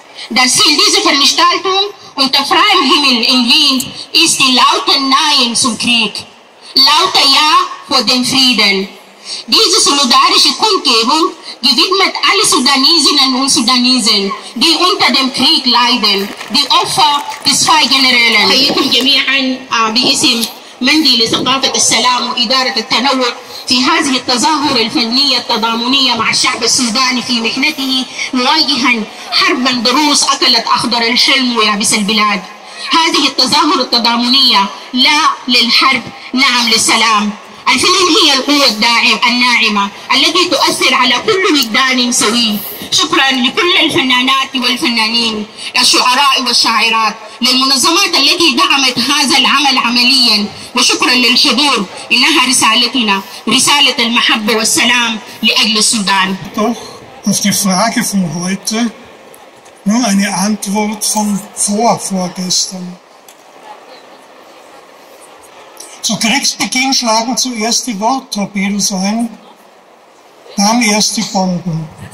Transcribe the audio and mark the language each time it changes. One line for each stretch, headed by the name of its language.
German: Das Ziel dieser Veranstaltung unter freiem Himmel in Wien ist die laute Nein zum Krieg, laute Ja für den Frieden. Diese solidarische Kundgebung gewidmet alle Sudanesinnen und Sudanesen, die unter dem Krieg leiden, die Opfer des zwei Generälen.
Arabic: مندي لثقافة السلام وإدارة التنوع في هذه التظاهر الفنية التضامنية مع الشعب السوداني في مهنته مواجها حربا ضروس أكلت أخضر الشلم ويابس البلاد. هذه التظاهر التضامنية لا للحرب، نعم للسلام. الفنون هي القوة الناعمة التي تؤثر على كل وجدان سوي. شكرا لكل الفنانات والفنانين، الشعراء والشاعرات، للمنظمات التي دعمت هذا العمل عمليا، وشكرا للحضور، انها رسالتنا، رسالة المحبة والسلام لأجل السودان.
German: Doch auf die Frage von heute nur eine Antwort von vorgestern. Zu Kriegsbeginn schlagen zuerst die Worttorpedos ein, dann erst die Bomben.